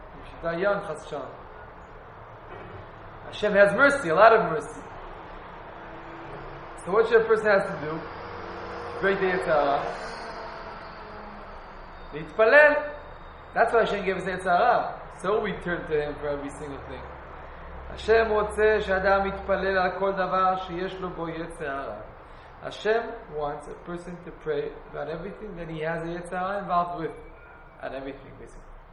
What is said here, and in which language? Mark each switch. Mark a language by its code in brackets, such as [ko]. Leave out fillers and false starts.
[en] He should die young, chas shalom. Hashem has mercy, a lot of mercy. So what should a person have to do? Great day of Tara. Yitpalel. That's why Hashem gave us the Yetzer Hara. So we turn to Him for every single thing. [he] השם רוצה שאדם יתפלל על כל דבר שיש לו בו יצר הרע. [en] Hashem wants a person to pray about everything that he has a yetzer hara involved with, and everything basically.